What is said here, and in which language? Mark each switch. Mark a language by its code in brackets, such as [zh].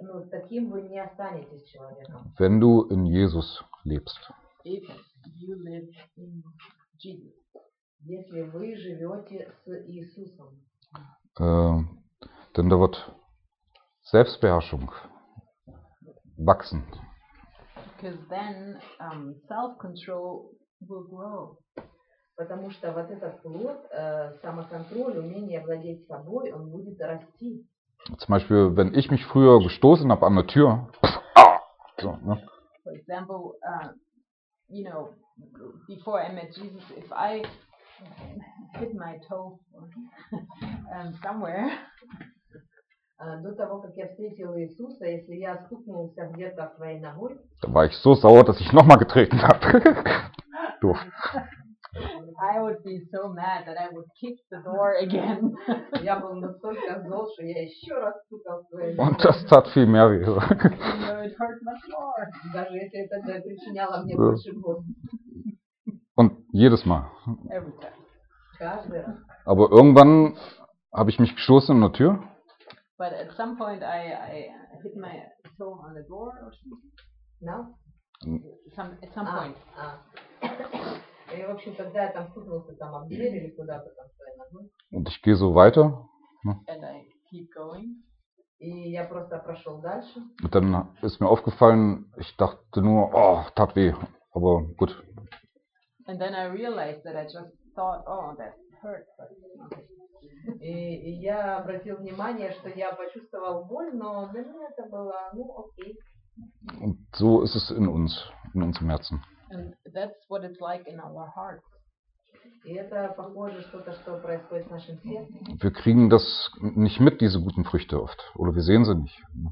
[ru] Таким вы не останетесь человеком. [de] Wenn du in Jesus lebst. [en] If you live in Jesus. [ru] Если вы живете с Иисусом. [de] Denn da wird Selbstbeherrschung wachsen. [en] Because then self-control will grow. [ru] Потому что вот этот плод, самоконтроль, умение владеть собой, он будет расти. [de] Zum Beispiel, wenn ich mich früher gestoßen habe an der Tür. So, ne? [en] For example, you know, before I met Jesus, if I hit my toe somewhere, [ru] до того, как я встретил Иисуса, если я стукнулся где-то своей ногой, [de] то war ich so sauer, dass ich nochmal getreten habe. Doof. [en] I would be so mad that I would kick the door again. [ru] Я был настолько зол, что я еще раз стукал своей ногой. [de] Und das tat viel mehr weh. [en] It hurt much more. [ru] Даже если это причиняло мне больше боли. [de] Und jedes Mal. [en] Every time. [ru] Каждый раз. [de] Aber irgendwann habe ich mich gestoßen an der Tür. [en] But at some point I hit my toe on the door or something. No? At some point. [ru] И в общем, когда я там стукнулся там об дверь или куда-то там своей ногой. [de] Und ich gehe so weiter. [en] And I keep going. [ru] И я просто прошел дальше. [de] Und dann ist mir aufgefallen, ich dachte nur, oh, tat weh. Aber gut. [en] And then I realized that I just thought, oh, that hurt. [ru] И я обратил внимание, что я почувствовал боль, но для меня это было, ну, окей. [de] Und so ist es in uns, in unserem Herzen. [en] And that's what it's like in our hearts. [ru] И это похоже что-то, что происходит в нашем сердце. [de] Wir kriegen das nicht mit, diese guten Früchte oft. Oder wir sehen sie nicht.